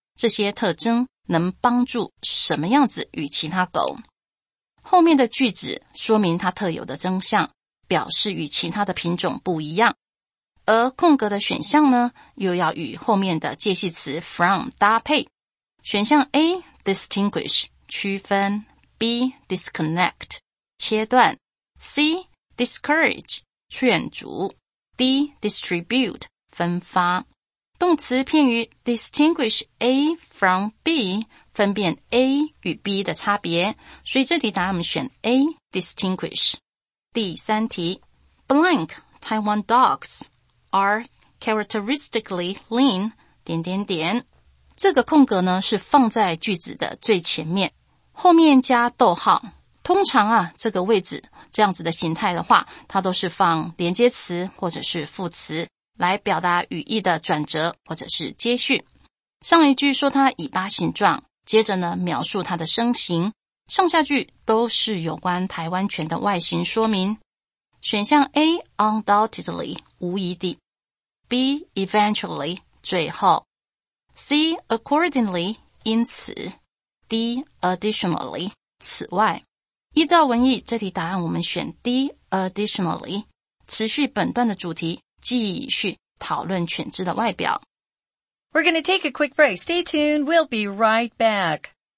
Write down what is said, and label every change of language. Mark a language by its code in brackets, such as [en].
[zh] 这些特征能帮助什么样子与其他狗。后面的句子说明它特有的征象，表示与其他的品种不一样。而空格的选项呢，又要与后面的介系词 from 搭配。选项 A, distinguish, 区分 B, disconnect, 切断 C, discourage, 劝阻 D, distribute, 分发。动词片语 [en] distinguish A from B, [zh] 分辨 A 与 B 的差别，所以这题答案我们选 A, distinguish. 第三题 [en] ,blank Taiwan dogs are characteristically lean, [zh] 点点点。这个空格呢是放在句子的最前面，后面加逗号。通常啊，这个位置这样子的形态的话，它都是放连接词或者是副词来表达语义的转折或者是接续。上一句说它尾巴形状，接着呢描述它的身形，上下句都是有关台湾犬的外形说明。选项 A, undoubtedly, 无疑地。 B, eventually, 最后。 C, accordingly, 因此。 D, additionally, 此外。依照文意，这题答案我们选 D, additionally, 持续本段的主题，继续讨论犬只的外表。 [en] We're going to take a quick break. Stay tuned, we'll be right back.